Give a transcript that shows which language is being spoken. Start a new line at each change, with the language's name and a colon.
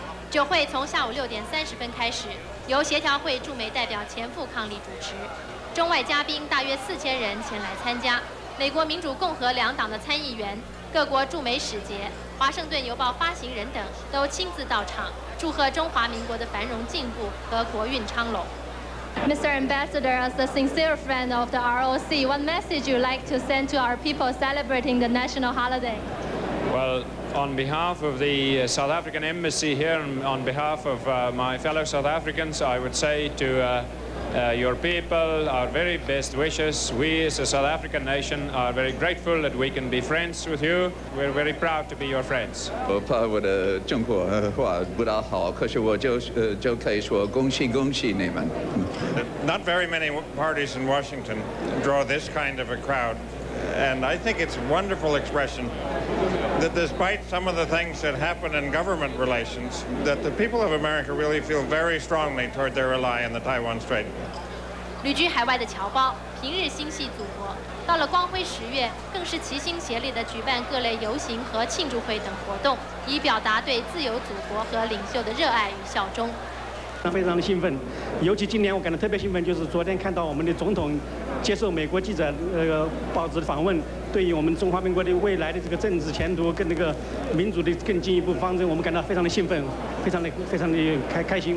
Chinese: 酒会从下午6:30开始，由协调会驻美代表钱富伉俪主持，中外嘉宾大约4000人前来参加，美国民主共和两党的参议员、各国驻美使节、华盛顿邮报发行人等都亲自到场，祝贺中华民国的繁荣进步和国运昌隆。
English: Mr. Ambassador, as a sincere friend of the ROC, what message you like to send to our people celebrating the national holiday? Well, on behalf of the South African Embassy here, on behalf of my fellow South Africans, I would say to your people our very best wishes. We as a South African nation are very grateful that we can be friends with you. We're very proud to be your friends.
Chinese: 我怕我的中国话不大好，可是我就可以说恭喜恭喜你们。
English: Not very many parties in Washington draw this kind of a crowd. And I think it's a wonderful expression that despite some of the things that happen in government relations, that the people of America really feel very strongly toward their ally in the Taiwan Strait.
Chinese: 旅居海外的侨胞平日心系祖国，到了光辉十月，更是齐心协力地举办各类游行和庆祝会等活动，以表达对自由祖国和领袖的热爱与效忠。非常的兴奋，尤其今年我感到特别兴奋，就是昨天看到我们的总统接受美国记者报纸访问，对于我们中华民国的未来的这个政治前途跟那个民主的更进一步方针，我们感到非常的兴奋，非常的开心。